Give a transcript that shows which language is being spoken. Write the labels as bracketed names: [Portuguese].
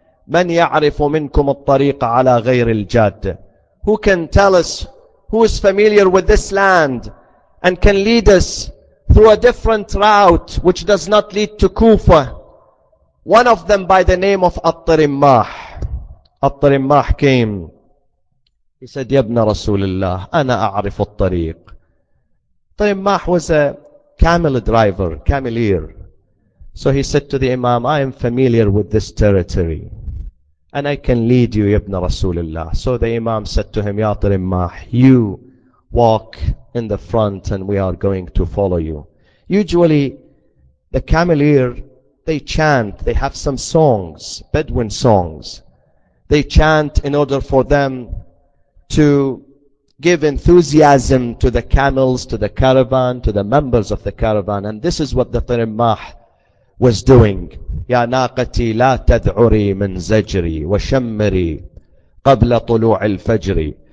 [Arabic] من يعرف منكم الطريق على غير الجادة؟ [English] Who can tell us, who is familiar with this land and can lead us through a different route which does not lead to Kufa? One of them by the name of At-Tirmah. At-Tirmah came. He said, [Arabic] يا ابن رسول الله, أنا أعرف الطريق. [English] At-Tirmah was a camel driver, cameleer. So he said to the Imam, I am familiar with this territory. And I can lead you, ibn Rasulullah. So the Imam said to him, Ya At-Tirmah, you walk in the front and we are going to follow you. Usually, the cameleer, they chant, they have some songs, Bedouin songs. They chant in order for them to give enthusiasm to the camels, to the caravan, to the members of the caravan. And this is what the At-Tirmah was doing. [Arabic] يا ناقتي لا تذعري من زجري وشمري قبل طلوع الفجر.